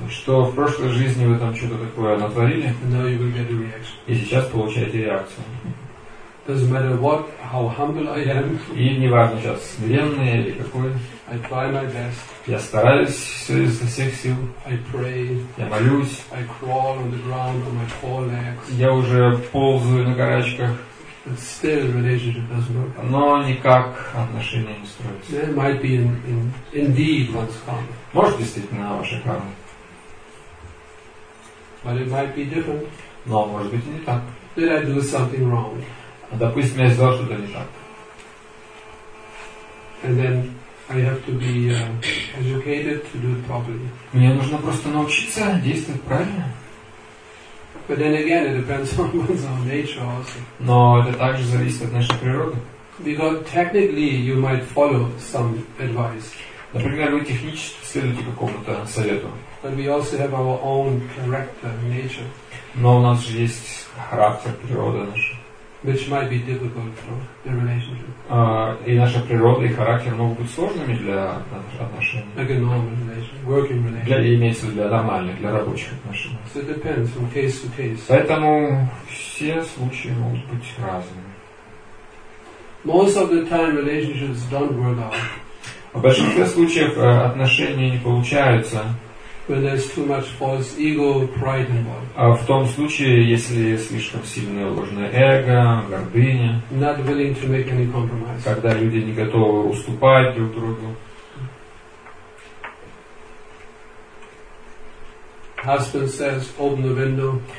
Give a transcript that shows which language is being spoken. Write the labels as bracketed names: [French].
[Russian] Что в прошлой жизни вы там что-то такое натворили? [English] Now you will get a reaction. [Russian] И сейчас получаете реакцию. [English] Doesn't matter what, how humble I am. [Russian] И не важно сейчас, смиренный или какой. [English] I try my best. [Russian] Я стараюсь все изо всех сил. [English] I pray. [Russian] Я молюсь. [English] I crawl on the ground on my four legs. [Russian] Я уже ползаю на карачках. [English] But still, relationship doesn't work. [Russian] Но никак отношения не строятся. [English] It might be indeed one's karma. [Russian] Может действительно ваша карма. [English] But it might be different. [Russian] Но может быть и не так. [English] Did I do something wrong? [Russian] Допустим, я сделал что-то не так. [English] And then I have to be educated to do it properly. [Russian] Мне нужно просто научиться действовать правильно. [English] But then again, it depends on one's own nature also. [Russian] Но это также зависит от нашей природы. [English] Because technically you might follow some advice. [Russian] Например, вы технически следуете какому-то совету. [English] But we also have our own character, nature. [Russian] Но у нас же есть характер, природа наша. [English] which might be difficult for the relationship. [Russian] И наша природа и характер могут быть сложными для отношений. [English] Like a normal relationship, working relationship. [Russian] Для имеется для нормальных, для рабочих отношений. [English] So it depends from case to case. [Russian] Поэтому все случаи могут быть разными. [English] Most of the time, relationships don't work out. [Russian] В большинстве случаев отношения не получаются. [English] When there's too much false ego, pride involved. [Russian] А в том случае, если слишком сильное ложное эго, гордыня. [English] Not willing to make any compromise. [Russian] Когда люди не готовы уступать друг другу. [English] Husband says, open the window.